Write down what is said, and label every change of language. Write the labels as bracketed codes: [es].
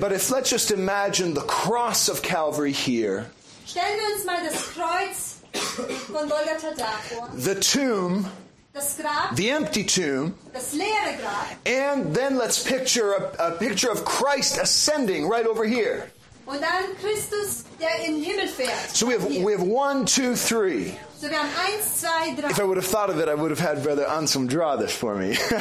[en] But if let's just imagine the cross of Calvary here. [de] Stellen wir uns mal das Kreuz von Golgatha da vor. [en] The tomb. [de] Das Grab. [en] The empty tomb. [de] Das leere Grab. [en] And then let's picture a picture of Christ ascending right over here. [de] Und dann Christus, der in den Himmel fährt. [en] So we have 1, 2, 3. [de] So wir haben 1, 2, 3. [en] If I would have thought of it, I would have had Brother Anselm draw this for me.